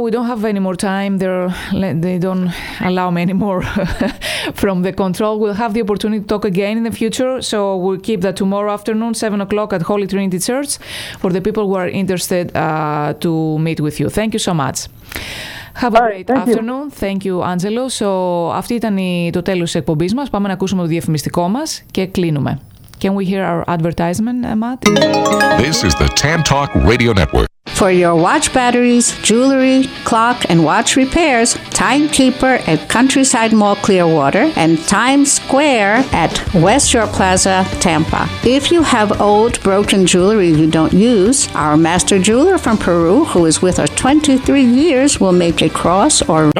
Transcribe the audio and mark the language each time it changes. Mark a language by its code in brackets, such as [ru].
[en] We don't have any more time. They don't allow me any more from the control. We'll have the opportunity to talk again in the future. So we'll keep that tomorrow afternoon, 7 o'clock at Holy Trinity Church, for the people who are interested to meet with you. Thank you so much. Have a great afternoon. Thank you, Angelo. [el] So αυτή ήταν το τέλος της εκπομπής μας. Πάμε να ακούσουμε το διαφημιστικό μας και κλείνουμε. [en] Can we hear our advertisement, Matt? This is the TAM Talk Radio Network. For your watch batteries, jewelry, clock, and watch repairs, Timekeeper at Countryside Mall Clearwater and Times Square at West Shore Plaza, Tampa. If you have old, broken jewelry you don't use, our master jeweler from Peru, who is with us 23 years, will make a cross or...